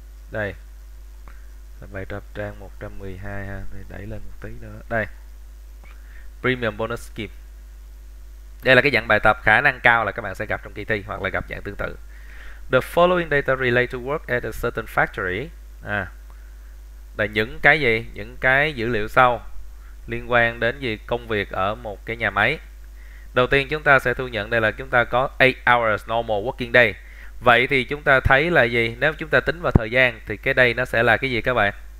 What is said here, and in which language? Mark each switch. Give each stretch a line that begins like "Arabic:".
Vietnamese: Đây là bài tập trang 112 ha, đẩy lên một tí nữa. Đây, Premium Bonus Scheme. Đây là cái dạng bài tập khả năng cao là các bạn sẽ gặp trong kỳ thi hoặc là gặp dạng tương tự.
English: The following data relate to work at a certain factory.
Vietnamese: À, là những cái gì? Những cái dữ liệu sau liên quan đến gì? Công việc ở một cái nhà máy. Đầu tiên chúng ta sẽ thu nhận đây là chúng ta có
English: 8 hours normal working day.
Vietnamese: Vậy thì chúng ta thấy là gì? Nếu chúng ta tính vào thời gian thì cái đây nó sẽ là cái gì các bạn?